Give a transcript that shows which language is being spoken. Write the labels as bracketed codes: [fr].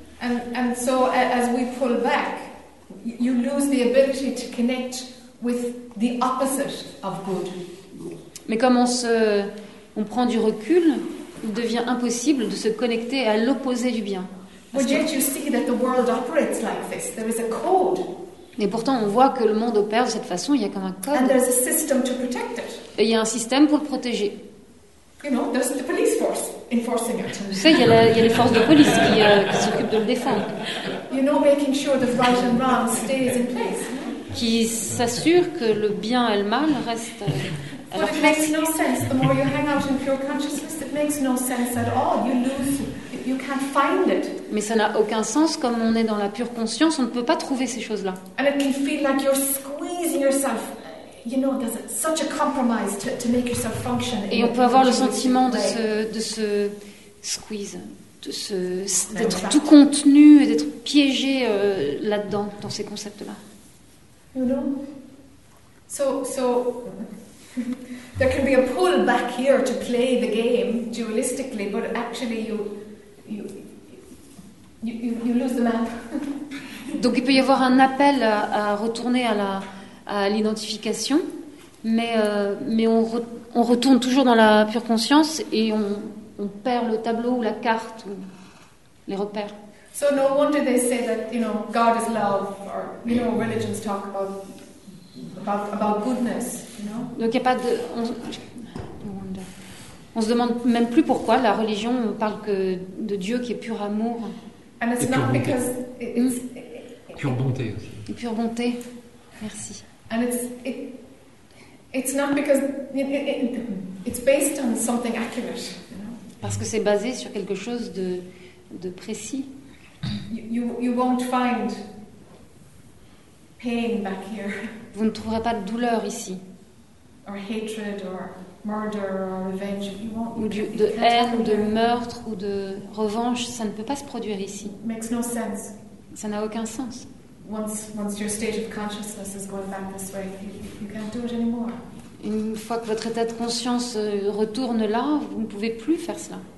[en] And so as we pull back, you lose the ability to connect with the opposite of good. [fr] Mais comme on prend du recul, il devient impossible de se connecter à l'opposé du bien. [en] But yet you see that the world operates like this. There is a code. [fr] Et pourtant, on voit que le monde opère de cette façon. Il y a comme un code. [en] And there's a system to protect it. [fr] Et il y a un système pour le protéger. [en] You know, there's the police force enforcing it. [fr] Tu sais, il y a les forces de police qui s'occupent de le défendre. [en] You know, making sure that right and wrong stays in place. [fr] Qui s'assure que le bien et le mal restent. [en] But it makes no sense. The more you hang out in pure consciousness, it makes no sense at all. You lose. You can't find it. [fr] Mais ça n'a aucun sens, comme on est dans la pure conscience, on ne peut pas trouver ces choses-là. [en] And it can feel like you're squeezing yourself. You know, there's such a compromise to make yourself function. [fr] Et on peut avoir le sentiment de se squeeze, d'être tout contenu et d'être piégé là-dedans, dans ces concepts-là. [en] You know? So there can be a pull back here to play the game dualistically, but actually you lose the map. [fr] Donc il peut y avoir un appel à retourner à l'identification, mais on retourne toujours dans la pure conscience et on perd le tableau ou la carte ou les repères. [en] So no wonder they say that, you know, God is love, or, you know, religions talk about goodness, you know. [fr] Donc il n'y a pas de... On se demande même plus pourquoi la religion parle que de Dieu qui est pur amour. [en] And it's not because it's [fr] pure bonté aussi. Et pure bonté, merci. [en] And it's not because it's based on something accurate, you know. [fr] Parce que c'est basé sur quelque chose de précis. [en] You won't find pain back here. [fr] Vous ne trouverez pas de douleur ici. [en] Or hatred or murder or revenge. [fr] Ou de haine, ou de meurtre, ou de revanche, ça ne peut pas se produire ici. [en] Makes no sense. [fr] Ça n'a aucun sens. [en] Once your state of consciousness is going back this way, you can't do it anymore. [fr] Une fois que votre état de conscience retourne là, vous ne pouvez plus faire cela.